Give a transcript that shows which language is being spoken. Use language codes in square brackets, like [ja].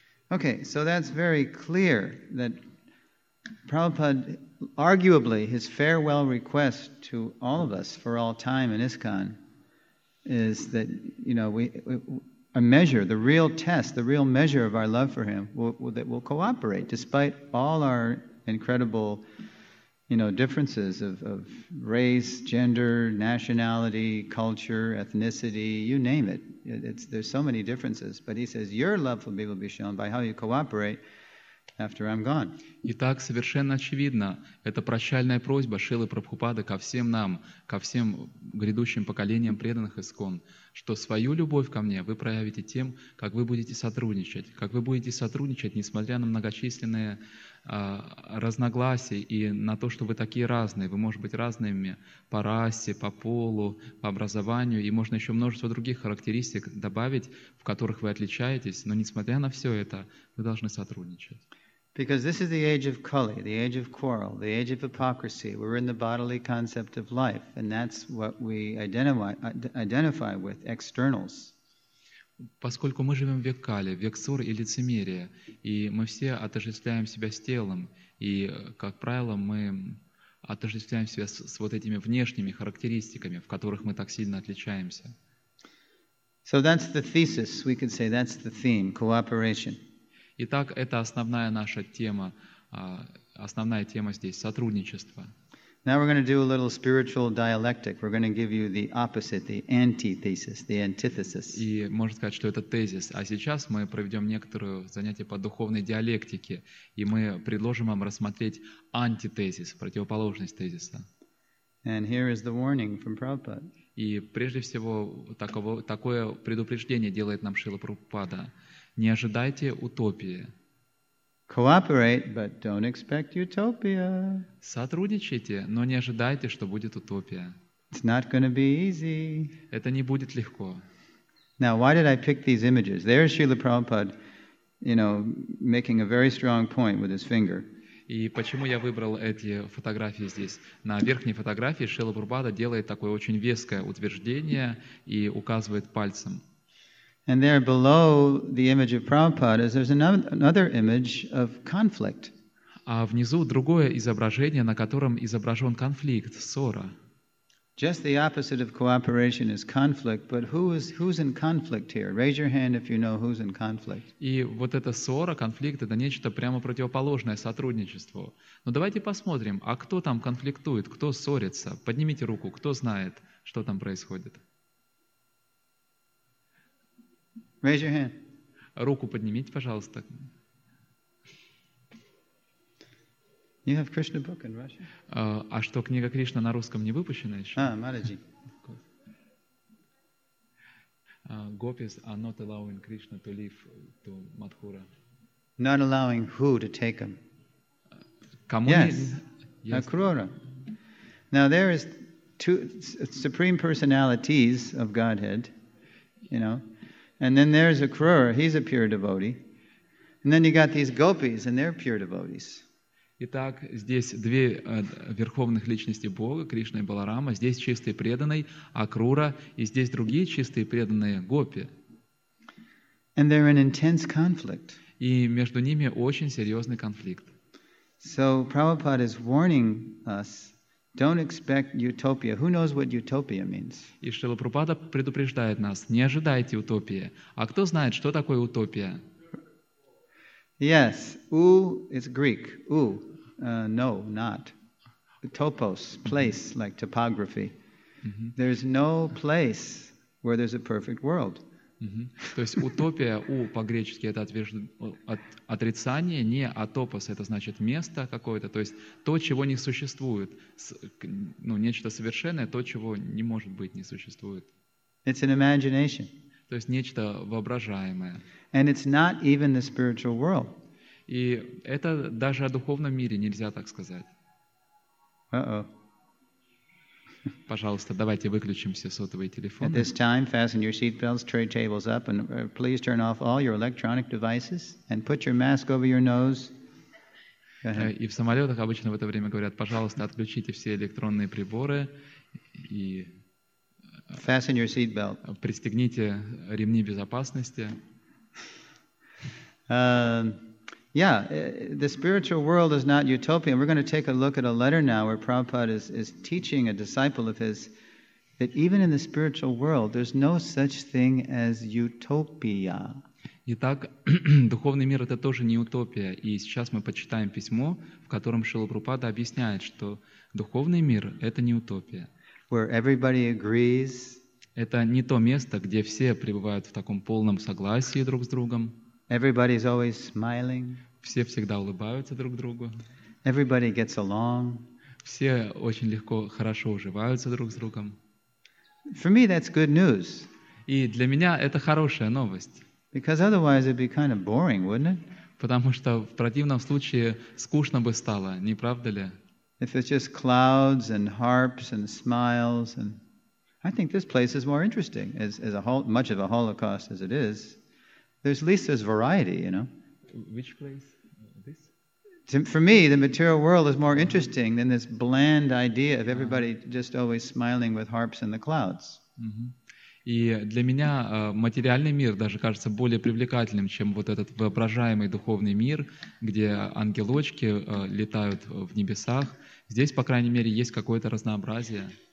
[en] Okay, so that's very clear that Prabhupada, arguably, his farewell request to all of us for all time in ISKCON is that, you know, a measure, the real test, the real measure of our love for him, that we'll cooperate despite all our incredible, you know, differences of race, gender, nationality, culture, ethnicity, you name it. There's so many differences. But he says, your love for me will be shown by how you cooperate after I'm gone. [ru] Итак, совершенно очевидно, это прощальная просьба Шрилы Прабхупады ко всем нам, ко всем грядущим поколениям преданных ИСККОН, что свою любовь ко мне вы проявите тем, как вы будете сотрудничать. Как вы будете сотрудничать, несмотря на многочисленные разногласия и на то, что вы такие разные. Вы можете быть разными по расе, по полу, по образованию, и можно еще множество других характеристик добавить, в которых вы отличаетесь, но несмотря на все это, вы должны сотрудничать. [en] Because this is the age of Kali, the age of quarrel, the age of hypocrisy. We're in the bodily concept of life, and that's what we identify with, externals. [ru] Поскольку мы живем в век Кали, век ссор и лицемерия, и мы все отождествляем себя с телом, и, как правило, мы отождествляем себя с вот этими внешними характеристиками, в которых мы так сильно отличаемся. [en] So that's the thesis, we could say, that's the theme, cooperation. [ru] Итак, это основная наша тема, основная тема здесь — сотрудничество. [en] Now we're going to do a little spiritual dialectic. We're going to give you the opposite, the antithesis, the antithesis. [ru] И можно сказать, что это тезис. А сейчас мы проведем некоторое занятие по духовной диалектике, и мы предложим вам рассмотреть антитезис, противоположность тезиса. [en] And here is the warning from Prabhupada. [ru] И прежде всего такое предупреждение делает нам Шрила Прабхупада. Не ожидайте утопии. [en] Cooperate, but don't expect utopia. [ru] Сотрудничайте, но не ожидайте, что будет утопия. [en] It's not going to be easy. [ru] Это не будет легко. [en] Now, why did I pick these images? There's Srila Prabhupada, you know, making a very strong point with his finger. [ru] И почему я выбрал эти фотографии здесь? На верхней фотографии Шрила Прабхупада делает такое очень веское утверждение и указывает пальцем. [en] And there below the image of Prabhupada is there's another image of conflict. [ru] а внизу другое изображение, на котором изображен конфликт, ссора. [en] Just the opposite of cooperation is conflict, but who's in conflict here? Raise your hand if you know who's in conflict. [ru] И вот эта ссора, конфликт, это нечто прямо противоположное сотрудничеству. Но давайте посмотрим, а кто там конфликтует, кто ссорится? Поднимите руку, кто знает, что там происходит? [en] Raise your hand. [ru] Руку поднимите, пожалуйста. [en] You have Krishna book in Russian? [ru] А что, книга Кришна на русском не выпущена еще? Мараджи. [en] Gopis are not allowing Krishna to leave to Mathura. Not allowing who to take him? [ru] Кому? [en] Yes. Акрура. Now there is two supreme personalities of Godhead, you know, and then there's Акрура, he's a pure devotee, and then you got these gopis and they're pure devotees. [ru] Итак, здесь две верховных личности Бога, Кришна и Баларама, здесь чистый преданный Акрура, и здесь другие чистые преданные гопи. [en] And they're in intense conflict. [ru] И между ними очень серьезный конфликт. [en] So Prabhupada is warning us, don't expect utopia. Who knows what utopia means? [ru] И Шрила Прабхупада предупреждает нас, не ожидайте утопии. А кто знает, что такое утопия? [en] Yes, u is Greek. U, no, not. Topos, place, like topography. There's no place where there's a perfect world. [ru] То есть утопия, у по-гречески это отрицание, не а топос это значит место какое-то. То есть то, чего не существует, ну нечто совершенное, то, чего не может быть, не существует. [en] It's an imagination. [ru] То есть нечто воображаемое. [en] And it's not even the spiritual world. [ru] И это даже о духовном мире нельзя так сказать. Uh-oh. Пожалуйста, давайте выключим все сотовые телефоны. [en] At this time, fasten your seatbelts, tray tables up, and please turn off all your electronic devices and put your mask over your nose. [ru] И в самолетах обычно в это время говорят, пожалуйста, отключите все электронные приборы и... [en] Fasten your seat belt. [ru] Пристегните ремни безопасности. [en] The spiritual world is not utopia. We're going to take a look at a letter now where Prabhupada is teaching a disciple of his that even in the spiritual world there's no such thing as utopia. [ru] Итак, духовный мир это тоже не утопия, и сейчас мы почитаем письмо, в котором Шрила Прабхупада объясняет, что духовный мир это не утопия. [en] Where everybody agrees. [ru] Это не то место, где все пребывают в таком полном согласии друг с другом. [en] Everybody is always smiling. [ru] Все всегда улыбаются друг другу. [en] Everybody gets along. [ru] Все очень легко, хорошо уживаются друг с другом. [en] For me, that's good news. [ru] И для меня это хорошая новость. [en] Because otherwise it'd be kind of boring, wouldn't it? [ru] Потому что в противном случае скучно бы стало, не правда ли? [en] If it's just clouds and harps and smiles, and I think this place is more interesting as a whole, much of a holocaust as it is. There's at least there's variety, you know. Which place? This. For me, the material world is more interesting than this bland idea of everybody just always smiling with harps and the clouds. [ru] И для меня материальный мир даже кажется более привлекательным, чем вот этот воображаемый духовный мир, где ангелочки летают в небесах. Здесь, по крайней мере, есть какое-то разнообразие.